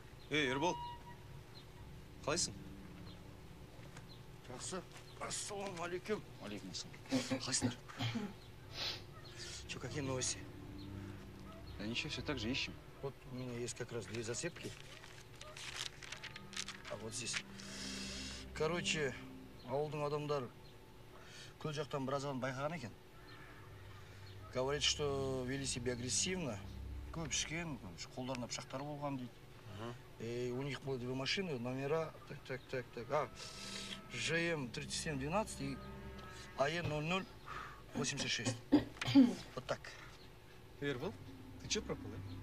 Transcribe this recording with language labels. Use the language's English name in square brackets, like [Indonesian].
[Kazakh] Эй, Ербол. Қалайсың? Жақсы. Ассаламу алейкум. Алейкум ассалам. [Russian] Хасинар. Че, какие новости? Да ничего, все так же ищем. Вот у меня есть как раз две зацепки. А вот здесь. [Kazakh] Короче, ауылдың адамдары көл жақтан біраз адам байқаған екен. [Russian] Говорит, что вели себя агрессивно. [Kazakh] Көп ішкен, қолдарына пышақтар болған дейді. [Russian] И у них было две машины, номера. Так, так, так, так. А, ЖМ-3712 и АЕ-0086. Вот так. Ербол, ты чё пропал? А?